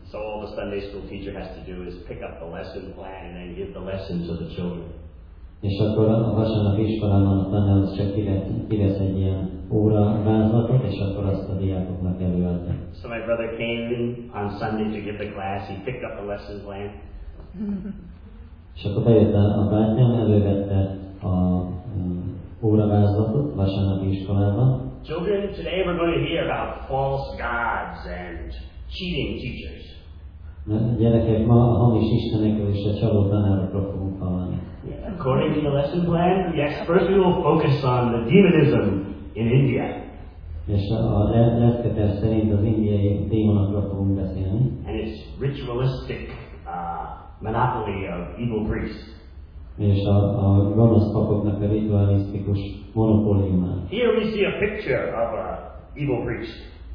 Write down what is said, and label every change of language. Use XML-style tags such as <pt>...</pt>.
<en>So all the Sunday school teacher has to do is pick up the lesson plan and then give the lesson to the children.</en> <hu>És akkor a vasárnap iskolában a tanár az csak kivesz egy ilyen óra vázlatot, és akkor azt a diákoknak előadja.</hu> <en>So my brother came in on Sunday to give the class, he picked up the lesson plan.</en> <hu>És akkor bejött a bátyám, elővette a óra vázlatot vasárnapi iskolában.</hu> <en>Children, today we're going to hear about false gods and cheating teachers.</en> <hu>Gyerekek, ma a hamis istenekről és a csaló tanárokról fogunk hallani.</hu> <en>According to the lesson plan, yes, first we will focus on the demonism in India.</en> <hu>És a leszketer szerint az indiai démonokról fogunk beszélni.</hu> <en>And its ritualistic monopoly of evil priests.</en> <hu>És a gonosz papoknak a ritualisztikus monopóliumát.</hu> <en>Here we see a picture of an evil priest.</en>